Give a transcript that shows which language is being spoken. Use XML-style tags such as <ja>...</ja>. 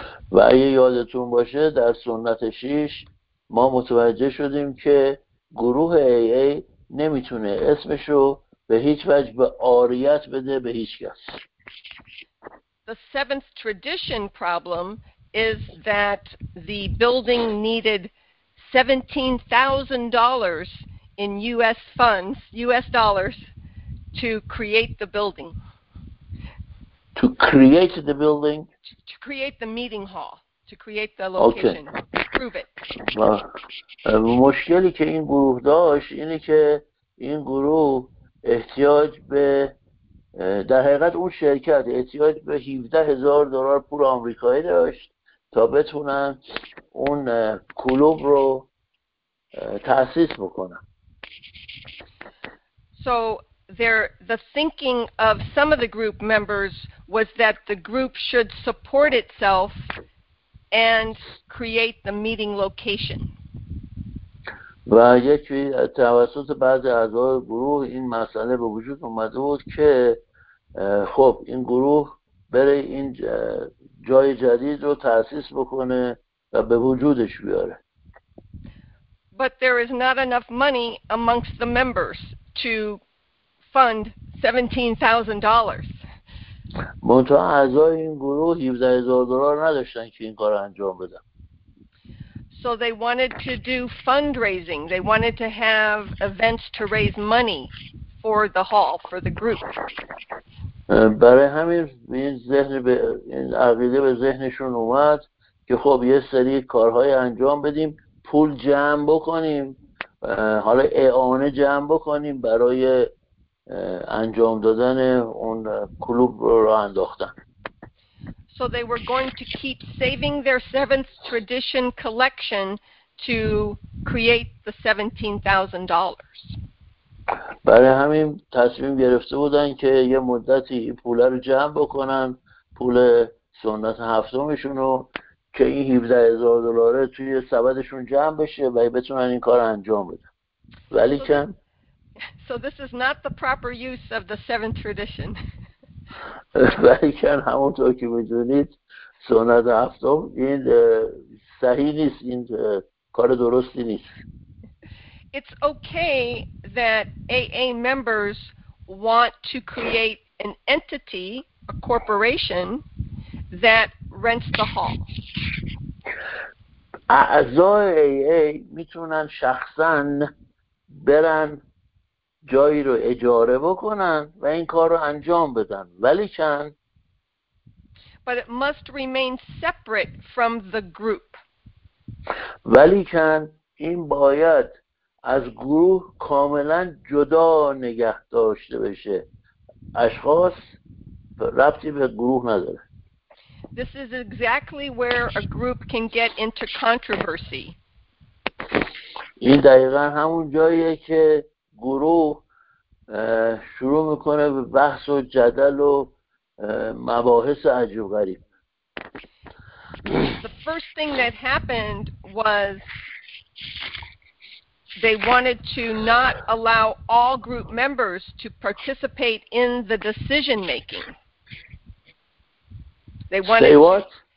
<fa>و اگه یادتون باشه در سنت 6 ما متوجه شدیم که گروه AA نمیتونه اسمشو به هیچ وجه به عاریت بده به هیچ کس.</fa> <en>The seventh tradition problem is that the building needed $17,000 in US funds, US dollars, to create the building. To create the building? To create the meeting hall, to create the location, okay. Prove it.</en> <fa>مشکلی که این گروه داشت اینه که این گروه احتیاج به در حقیقت اون شرکت احتیاج به $17,000 پول آمریکایی داشت تا بتونن اون کلوب رو تأسیس بکنن.</fa> <en>So the thinking of some of the group members was that the group should support itself and create the meeting location.</en> <fa>و یکی توسط بعضی از گروه این مسئله به وجود اومده بود که خب این گروه بره این جای جدید رو تأسیس بکنه و به وجودش بیاره.</fa> <en>But there is not enough money amongst the members to fund $17,000.</en> <fa>منتها اعضای این گروه $17,000 نداشتن که این کار انجام بدن.</fa> <en>So they wanted to do fundraising. They wanted to have events to raise money for the hall, for the group.</en> <fa>برای همین این ذهن به این عقیده به ذهنشون اومد که خب یه سری کارهای انجام بدیم، پول جمع بکنیم، حالا اعانه جمع بکنیم برای انجام دادن اون کلوب رو انداختن.</fa> <en>So they were going to keep saving their seventh tradition collection to create the $17,000.</en> <fa>برای همین تصمیم گرفته بودن که یه مدتی این پول رو جمع بکنن، پول سنت هفتمشون رو، که این $17,000 توی سبدشون جمع بشه و بتونن این کار انجام بدن. ولی که</fa> <en>So this is not the proper use of the seventh tradition.</en> <fa>ولی که همونطور که میدونید سنت هفتم این صحیح نیست، این کار درستی نیست.</fa> <en>It's okay that AA members want to create an entity, a corporation, that rents the hall.</en> <fa>اعضای AA میتونن شخصاً برن جایی رو اجاره بکنن و این کار رو انجام بدن. ولی چند؟</fa> <en>But it must remain separate from the group.</en> <fa>ولی چند این باید از گروه کاملا جدا نگه داشته بشه. اشخاص ربطی به گروه نداره.</fa> <en>This is exactly where a group can get into controversy.</en> <fa>این دقیقا همون جاییه که گروه شروع میکنه به بحث و جدل و مباحث عجیب غریب.</fa> <en>The first thing that happened was they wanted to not allow all group members to participate in the decision making. They wanted, Say what?</en>